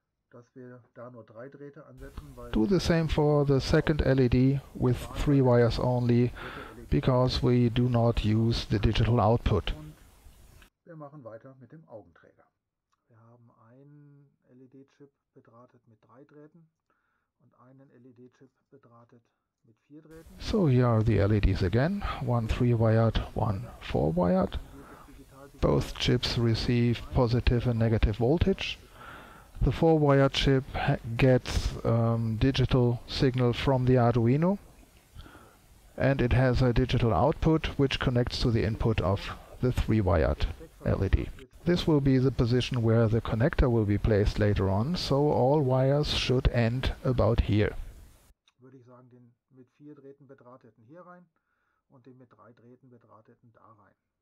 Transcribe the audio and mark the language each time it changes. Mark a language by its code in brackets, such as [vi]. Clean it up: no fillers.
[de] Dass wir da nur drei Drähte ansetzen, weil [en] do the same for the second LED with 3 wires only, because we do not use the digital output. [de] Wir machen weiter mit dem Augenträger. Wir haben einen LED-Chip bedrahtet mit 3 Drähten und einen LED-Chip bedrahtet [en] So here are the LEDs again, 1 3-wired, 1 4-wired. Both chips receive positive and negative voltage. The 4-wired chip gets digital signal from the Arduino, and it has a digital output which connects to the input of the 3-wired LED. This will be the position where the connector will be placed later on, so all wires should end about here. [de] Würde ich sagen, den mit 4 Drähten bedrahteten hier rein und den mit 3 Drähten bedrahteten da rein.